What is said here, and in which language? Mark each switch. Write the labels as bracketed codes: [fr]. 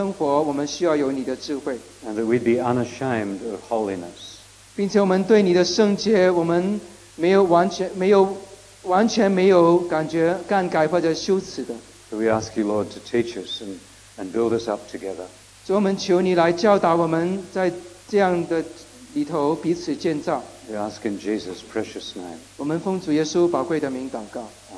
[zh] 主，我们能够谈到一些，但是我们需要我们与你同行的时候，在这个世上生活，我们需要有你的智慧。 [en] And that we'd be unashamed of holiness. [zh] 并且我们对你的圣洁，我们没有完全没有感觉尴尬或者羞耻的。 [en] So we ask you, Lord, to teach us and build us up together. [zh] 主，我们求你来教导我们在这样的里头彼此建造。 [en] We ask in Jesus' precious name. [zh] 我们奉主耶稣宝贵的名祷告。